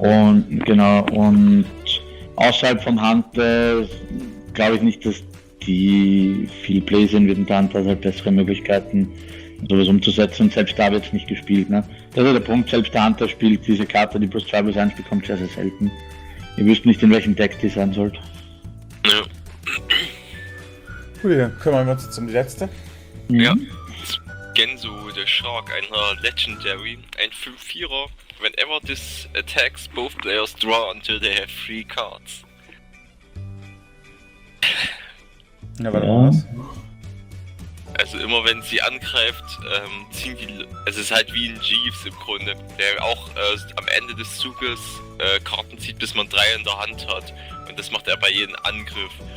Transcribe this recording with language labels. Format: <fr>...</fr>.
<de>Und genau, und außerhalb vom Hunter glaube ich nicht, dass die viel Play sehen würden, der Hunter hat halt bessere Möglichkeiten, sowas umzusetzen und selbst da wird es nicht gespielt, ne? Das ist der Punkt, selbst der Hunter spielt diese Karte, die plus 2 plus 1 bekommt, sehr, sehr selten. Ihr wisst nicht, in welchem Deck die sein sollte. Ja. Gut, dann kümmern wir uns jetzt um die letzte. Ja.</de> <en>Genzo,</en> <de>der Shark, einer Legendary, ein 5-4er,</de> <en>whenever this attacks, both players draw until they have 3 cards.</en> <de>Ja, warte mal was. Also immer wenn sie angreift, ziehen die. Also es ist halt wie ein Jeeves im Grunde, der auch am Ende des Zuges Karten zieht, bis man 3 in der Hand hat. Und das macht er bei jedem Angriff.</de>